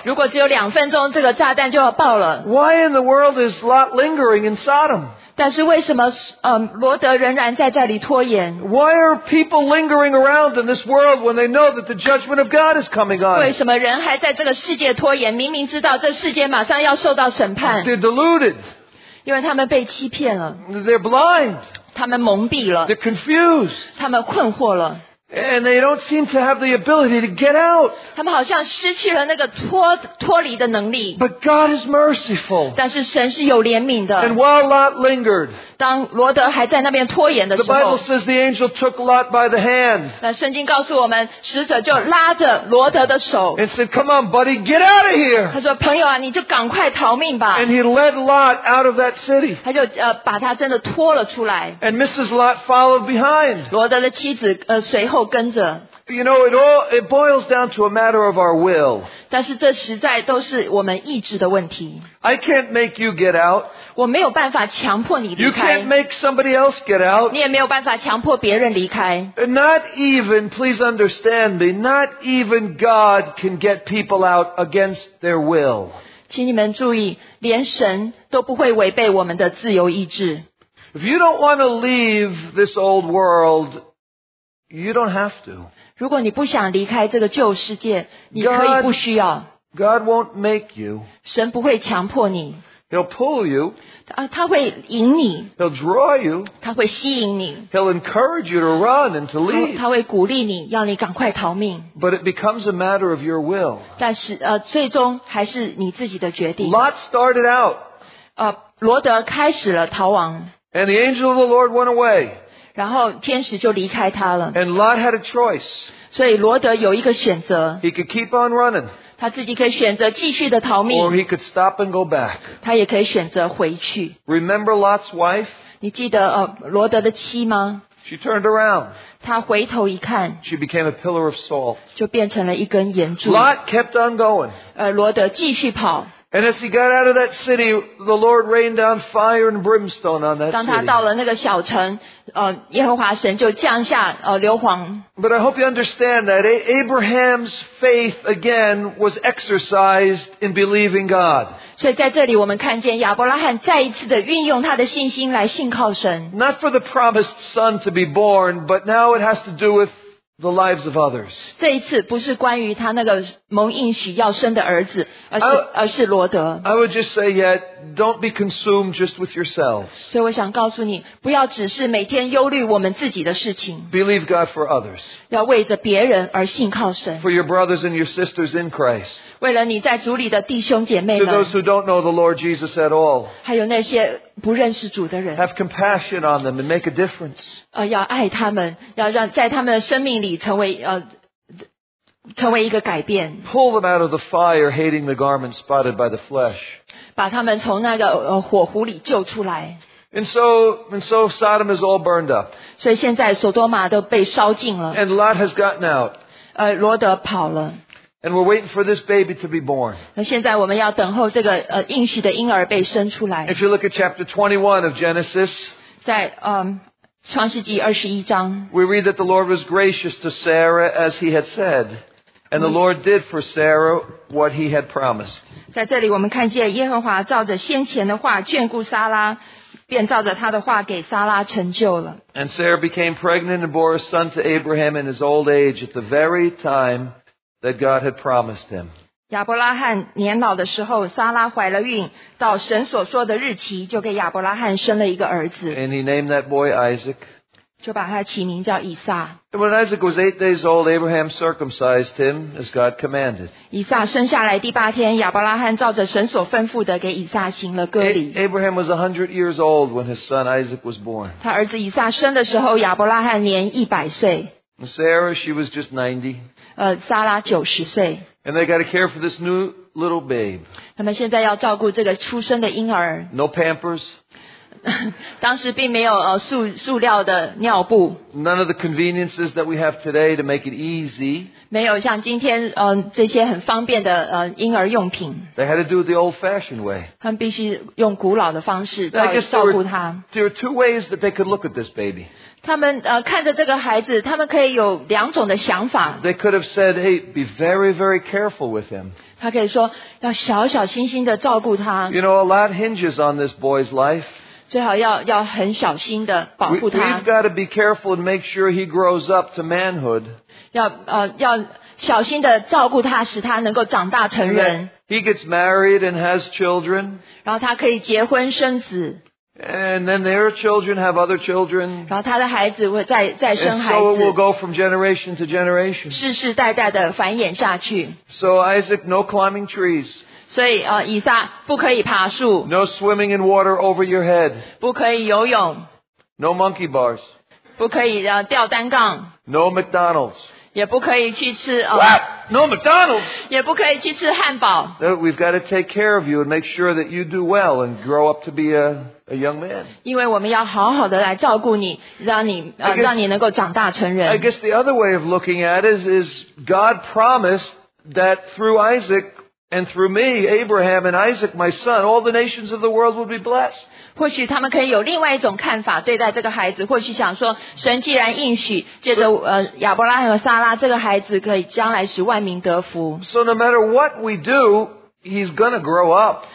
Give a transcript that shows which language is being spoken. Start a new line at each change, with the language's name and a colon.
Chinese: 如果只有2分钟，这个炸弹就要爆了。
English: Why in the world is Lot lingering in Sodom?
Chinese: 但是为什么罗德仍然在这里拖延?
English: Why are people lingering around in this world when they know that the judgment of God is coming on?
Chinese: 为什么人还在这个世界拖延?明明知道这世界马上要受到审判。
English: They're deluded.
Chinese: 因为他们被欺骗了。
English: They're blind.
Chinese: 他们蒙蔽了。
English: They're confused.
Chinese: 他们困惑了。
English: And they don't seem to have the ability to get out.
Chinese: 他们好像失去了那个脱离的能力。
English: But God is merciful.
Chinese: 但是神是有怜悯的。
English: And while Lot lingered,
Chinese: 当罗德还在那边拖延的时候
English: the Bible says the angel took Lot by the hand.
Chinese: 那圣经告诉我们，使者就拉着罗德的手。
English: And said, "Come on, buddy, get out of here."
Chinese: 他说，朋友啊，你就赶快逃命吧。
English: And he led Lot out of that city.
Chinese: 他就把他真的拖了出来。
English: And Mrs. Lot followed behind.
Chinese: 罗德的妻子随后。
English: You know, it boils down to a matter of our will.
Chinese: 但是这实在都是我们意志的问题。
English: I can't make you get out.
Chinese: 我没有办法强迫你离开。
English: You can't make somebody else get out.
Chinese: 你也没有办法强迫别人离开。
English: Not even, please understand me, not even God can get people out against their will.
Chinese: 请你们注意，连神都不会违背我们的自由意志。
English: If you don't want to leave this old world,You don't have to.
Chinese: 如果你不想离开这个旧世界，你可以不需要。
English: God won't make you.
Chinese: 神不会强迫你。
English: He'll pull you.
Chinese: 他会引你。
English: He'll draw you.
Chinese: 他会吸引你。
English: He'll encourage you to run and to leave.
Chinese: 他会鼓励你，要你赶快逃命。
English: But it becomes a matter of your will.
Chinese: 但是最终还是你自己的决定。
English: Lot started out.
Chinese: 罗德开始了逃亡。
English: And the angel of the Lord went away.
Chinese: 然后天使就离开他了。
English: And Lot had a choice.
Chinese: 所以罗德有一个选择。
English: He could keep on running.
Chinese: 他自己可以选择继续的逃命。
English: Or he could stop and go back.
Chinese: 他也可以选择回去。
English: Remember Lot's wife?
Chinese: 你记得罗德的妻吗？
English: She turned around.
Chinese: 他回头一看。
English: She became a pillar of salt.
Chinese: 就变成了一根盐柱。
English: Lot kept on going.
Chinese: 罗德继续跑。
English: And as he got out of that city, the Lord rained down fire and brimstone on that city.
Chinese: 当他到了那个小城，耶和华神就降下硫磺。
English: But I hope you understand that Abraham's faith again was exercised in believing God.
Chinese: 所以在这里我们看见亚伯拉罕再一次的运用他的信心来信靠神。
English: Not for the promised son to be born, but now it has to do with the lives of others.
Chinese: 这一次不是关于他那个蒙应许要生的儿子，而是罗德。
English: I would just say, yet, don't be consumed just with yourselves.
Chinese: 所以我想告诉你，不要只是每天忧虑我们自己的事情。
English: Believe God for others.
Chinese: 要为着别人而信靠神。
English: For your brothers and your sisters in Christ.
Chinese: 为了你在主里的弟兄姐妹们。
English: To those who don't know the Lord Jesus at all.
Chinese: 还有那些不认识主的人。
English: Have compassion on them and make a difference.
Chinese: 要爱他们，要让在他们的生命里成为一个改变。
English: Pull them out of the fire, hating the garment spotted by the flesh.
Chinese: 把他们从那个火湖里救出来。
English: And so Sodom is all burned up.
Chinese: 所以现在索多玛都被烧尽了。
English: And Lot has gotten out.
Chinese: 罗德跑了。
English: And we're waiting for this baby to be born.
Chinese: 那现在我们要等候这个应许的婴儿被生出来。
English: If you look at chapter 21 of Genesis.
Chinese: 在创世纪二十一章
English: We read that the Lord was gracious to Sarah as he had said, and the Lord did for Sarah what he had promised.
Chinese: 在这里我们看见耶和华照着先前的话眷顾撒拉，便照着他的话给撒拉成就了。
English: And Sarah became pregnant and bore a son to Abraham in his old age at the very time that God had promised him.
Chinese: 亚伯拉罕年老的时候，撒拉怀了孕，到神所说的日期，就给亚伯拉罕生了一个儿子。
English: And he named that boy Isaac.
Chinese: 就把他起名叫以撒。
English: When Isaac was 8 days old, Abraham circumcised him as God commanded.
Chinese: 以撒生下来第八天，亚伯拉罕照着神所吩咐的给以撒行了割礼。
English: Abraham was 100 years old when his son Isaac was born.
Chinese: 他儿子以撒生的时候，亚伯拉罕年100岁。
English: Sarah, she was just 90.
Chinese: 撒拉90岁。
English: And they got to care for this new little babe.
Chinese: 他们现在要照顾这个出生的婴儿。
English: No pampers.
Chinese: 当时并没有塑料的尿布。
English: None of the conveniences that we have today to make it easy.
Chinese: 没有像今天这些很方便的婴儿用品。
English: They had to do it the old-fashioned way.
Chinese: 他们必须用古老的方式照顾他。
English: There are two ways that they could look at this baby.
Chinese: 他们看着这个孩子，他们可以有两种的想法。
English: They could have said, "Hey, be very, very careful with him."
Chinese: 他可以说要小小心心的照顾他。
English: You know, a lot hinges on this boy's life.
Chinese: 最好要很小心的保护他。
English: We've got to be careful and make sure he grows up to manhood.
Chinese: 要小心的照顾他，使他能够长大成人。
English: He gets married and has children.
Chinese: 然后他可以结婚生子。
English: And then their children have other children.
Chinese: 然后他的孩子会再生孩子。
English: And so it will go from generation to generation.
Chinese: 世世代代的繁衍下去。
English: So Isaac, no climbing trees.
Chinese: 所以以撒不可以爬树。
English: No swimming in water over your head.
Chinese: 不可以游泳。
English: No monkey bars.
Chinese: 不可以吊单杠。
English: No McDonald's.
Chinese: 也不可以去吃
English: What? No McDonald's.
Chinese: 也不可以去吃汉堡。
English: We've got to take care of you and make sure that you do well and grow up to be a young man.
Chinese: 因为我们要好好的来照顾你，让你能够长大成人。
English: I guess the other way of looking at it is God promised that through Isaac and through me, Abraham and Isaac, my son, all the nations of the world would be blessed.
Chinese: 或许他们可以有另外一种看法对待这个孩子，或许想说，神既然应许，借着亚伯拉罕和撒拉，这个孩子可以将来使万民得福。
English: So no matter what we do, he's going to grow up.